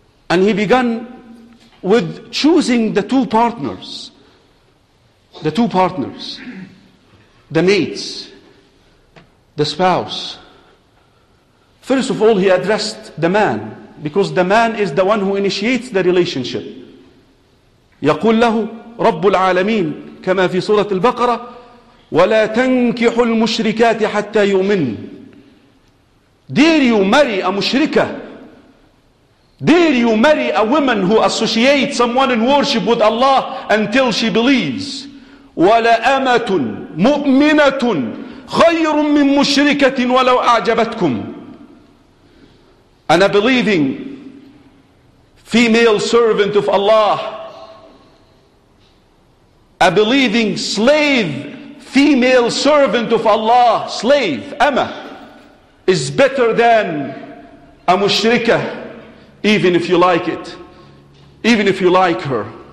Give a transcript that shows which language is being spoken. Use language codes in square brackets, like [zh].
[en] And he began with choosing the two partners. The two partners. The mates. The spouse. First of all, he addressed the man, because the man is the one who initiates the relationship. [ar] يقول له رب العالمين كما في سورة البقرة ولا تنكح المشركات حتى يؤمن. [en] Dare you marry a mushrika? Dare you marry a woman who associates someone in worship with Allah until she believes? [ar] ولا أمة مؤمنة خير من مشركة ولو أعجبتكم. [en] And a believing female servant of Allah, a believing slave, female servant of Allah, slave, Amma, is better than a mushrika, even if you like it, even if you like her.